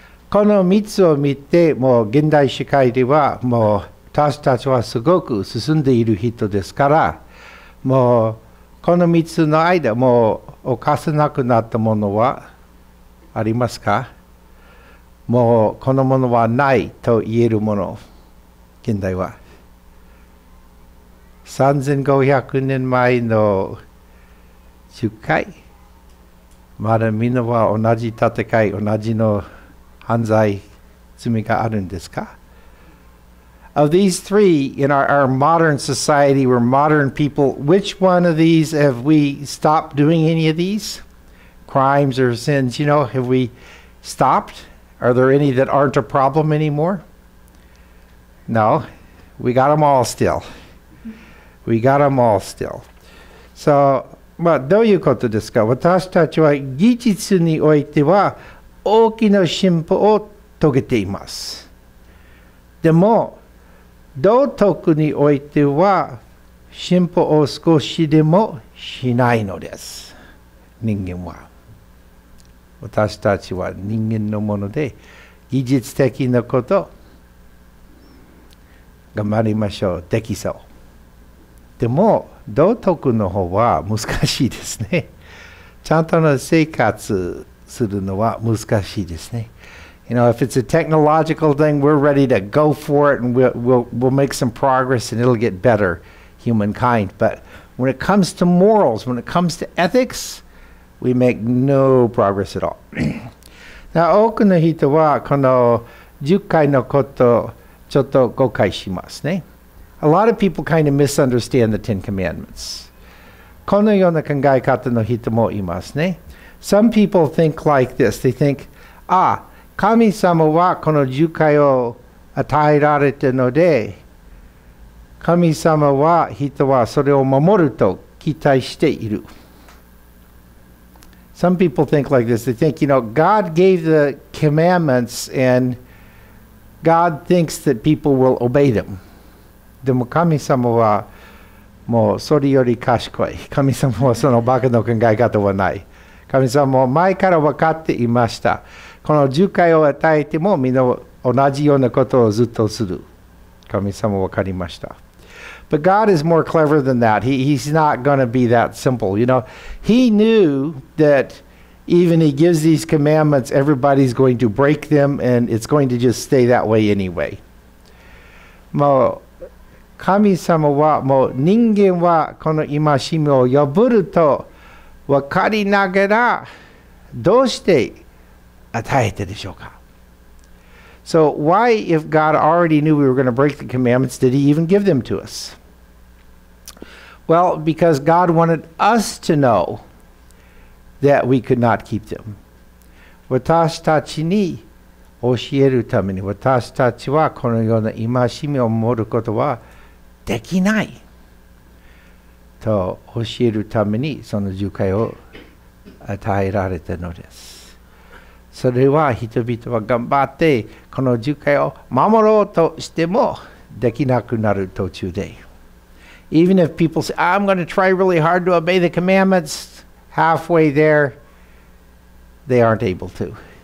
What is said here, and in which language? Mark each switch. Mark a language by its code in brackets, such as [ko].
[ja] この3つを見て、もう現代社会では、もう私たちはすごく進んでいる人ですから、もうこの3つの間、もう犯せなくなったものはありますか？もうこのものはないと言えるもの、現代は。 3500年前の10回、まだみんなは同じ戦い、同じの犯罪、罪があるんですか？ [en] Of these three in our modern society, we're modern people, which one of these have we stopped doing any of these crimes or sins? You know, have we stopped? Are there any that aren't a problem anymore? No, we got them all still. We got them all still. [ja] So, まあ、どういうことですか？私たちは技術においては大きな進歩を遂げています。でも、道徳においては進歩を少しでもしないのです。人間は。私たちは人間のもので、技術的なこと、頑張りましょう。できそう。でも道徳の方は難しいですね。ちゃんとの生活するのは難しいですね。 [en] You know, if it's a technological thing, we're ready to go for it and we'll make some progress and it'll get better, humankind. But when it comes to morals, when it comes to ethics, we make no progress at all. [ja] Now, 多くの人はこの10回のことちょっと誤解しますね。 [en] A lot of people kind of misunderstand the Ten Commandments. [ja] このような考え方の人もいますね。 [en] Some people think like this. They think, ah, [ja] 神様はこの10回を与えられたので、神様は人はそれを守ると期待している。 [en] Some people think like this. They think, you know, God gave the commandments and God thinks that people will obey them. [ja] でも神様はもうそれより賢い。神様はそのバカの考え方はない。神様は前から分かっていました。この10回を与えてもみんな同じようなことをずっとする。神様は分かりました。 [en] But God is more clever than that. He's not going to be that simple. You know, He knew that even He gives these commandments, everybody's going to break them and it's going to just stay that way anyway. [ja] もう神様はもう人間はこの戒めを破ると分かりながらどうして与えてでしょうか? [en] So why, if God already knew we were going to break the commandments, did He even give them to us? Well, because God wanted us to know that we could not keep them. [ja] 私たちに教えるために、私たちはこのような戒めを守ることはできないと教えるためにその10回を与えられたのです。それは人々は頑張ってこの10回を守ろうとしてもできなくなる途中で。 [en] Even if people say, I'm going to try really hard to obey the commandments, halfway there, they aren't able to.